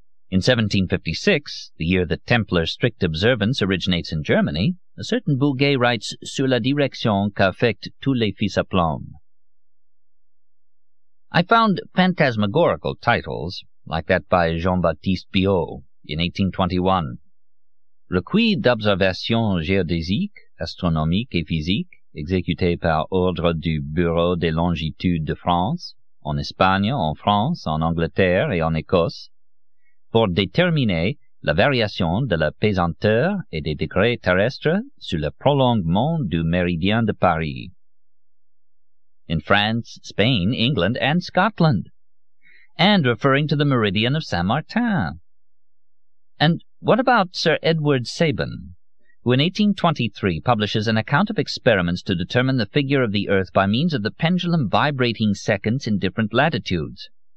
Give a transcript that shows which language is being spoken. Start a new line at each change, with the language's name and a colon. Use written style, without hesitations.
English: In 1756, the year that Templar strict observance originates in Germany, a certain Bouguer writes
French: Sur la direction qu'affecte tous les fils à plomb.
English: I found phantasmagorical titles, like that by Jean-Baptiste Biot in 1821.
French: Recueil d'observations géodésiques, astronomiques et physiques, exécuté par ordre du Bureau des longitudes de France, en Espagne, en France, en Angleterre et en Écosse, pour déterminer la variation de la pesanteur et des degrés terrestres sur le prolongement du méridien de Paris.
English: In France, Spain, England, and Scotland. And referring to the meridian of Saint-Martin. And what about Sir Edward Sabin, who in 1823 publishes an account of experiments to determine the figure of the earth by means of the pendulum vibrating seconds in different latitudes?